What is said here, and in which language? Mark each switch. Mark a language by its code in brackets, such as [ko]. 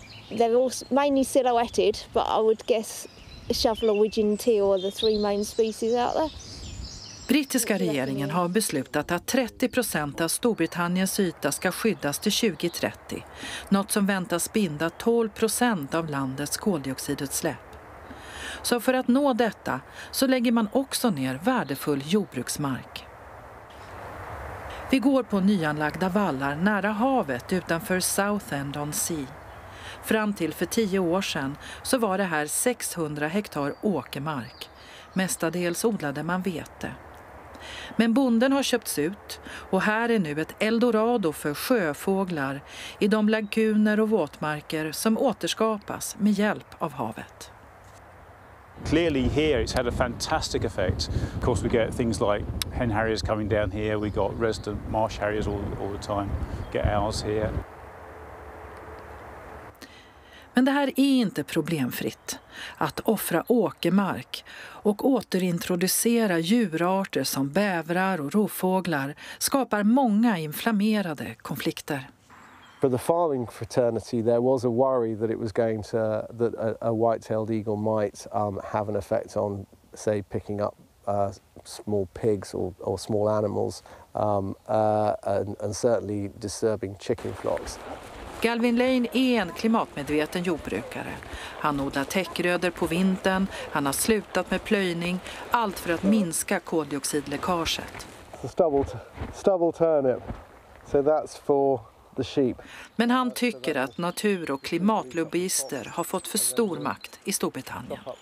[en] They're all mainly silhouetted, but I would guess Shovelawidgeon teal are the 3 main species out there. [sv] Brittiska regeringen har beslutat att 30% av Storbritanniens yta ska skyddas till 2030, något som väntas binda 12% av landets koldioxidutsläpp. Så för att nå detta så lägger man också ner värdefull jordbruksmark. Vi går på nyanlagda vallar nära havet utanför Southend-on-Sea. Fram till för 10 år sedan så var det här 600 hektar åkermark. Mestadels odlade man vete. Men bonden har köpts ut och här är nu ett eldorado för sjöfåglar i de laguner och våtmarker som återskapas med hjälp av havet. [en] Clearly here it's had a fantastic effect. Of course we get things like hen harriers coming down here. We got resident marsh harriers all the time. Get owls here. [sv] Men det här är inte problemfritt. Att offra åkermark och återintroducera djurarter som bävrar och rovfåglar skapar många inflammerade konflikter. [en] For the farming fraternity there was a worry that it was going to that a white-tailed eagle might have an effect on say picking up small pigs or small animals and certainly disturbing chicken flocks. [sv] Galvin Lane är en klimatmedveten jordbrukare. Han odlar täckgrödor på vintern, han har slutat med plöjning, allt för att minska koldioxidläckaget. [en] Stubble turnip. So that's for the sheep. [sv] Men han tycker att natur- och klimatlobbyister har fått för stor makt i Storbritannien.